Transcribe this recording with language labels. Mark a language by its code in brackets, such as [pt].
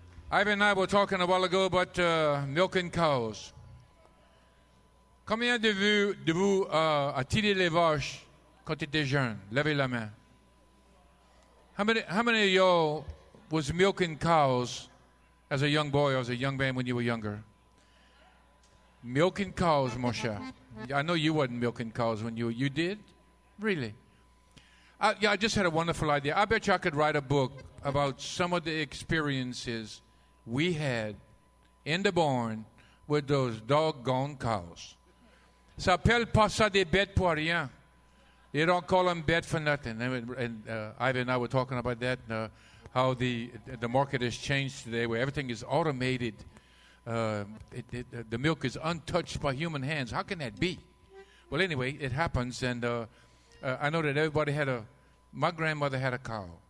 [en] Ivan and I were talking a while ago about milking cows. [fr] Combien de vous a tiré les vaches quand tu étais jeune? Levez la main. [en] How many of y'all was milking cows as a young boy or as a young man when you were younger? Milking cows, Moshe. I know you wasn't milking cows when you did. Really? I just had a wonderful idea. I bet you I could write a book about some of the experiences we had in the barn with those doggone cows. [fr] Ça s'appelle pas ça des bêtes pour rien. [en] They don't call them bêtes for nothing. Ivan and I were talking about that, how the market has changed today, where everything is automated. The milk is untouched by human hands. How can that be? Well, anyway, it happens, and I know that everybody had my grandmother had a cow.